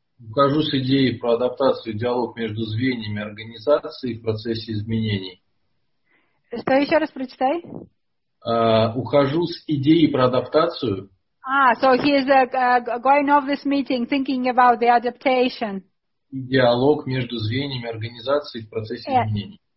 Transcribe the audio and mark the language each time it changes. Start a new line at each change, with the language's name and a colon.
Russian: Укажу с идеей про адаптацию и диалог между звеньями организации в процессе изменений. Что еще раз прочитай? Ухожу с идеей про адаптацию.
English: So he is going off this meeting, thinking about the adaptation.
Russian: И диалог между звеньями организации в процессе изменений.